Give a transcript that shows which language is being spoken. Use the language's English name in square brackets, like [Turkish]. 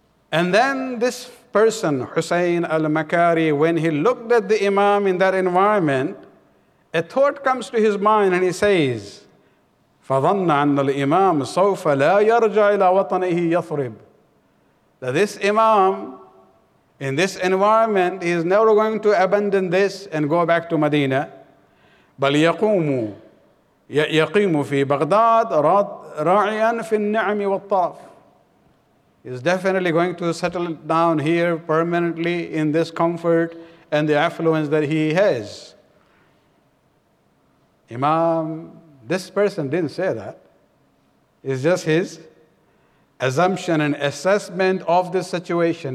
[English] And then this person, Hussein al-Makari, when he looked at the imam in that environment, a thought comes to his mind and he says, [Arabic] فَظَنَّ عَنَّ الْإِمَامُ سَوْفَ لَا يَرْجَعْ إِلَىٰ وَطَنِهِ يَثْرِبْ. [English] That this imam, in this environment, he is never going to abandon this and go back to Medina. [Arabic] بَلْ يَقُومُ يقيم في بغداد راعيا في النعم والطرف. [English] He's definitely going to settle down here permanently in this comfort and the affluence that he has. Imam, this person didn't say that. It's just his assumption and assessment of the situation.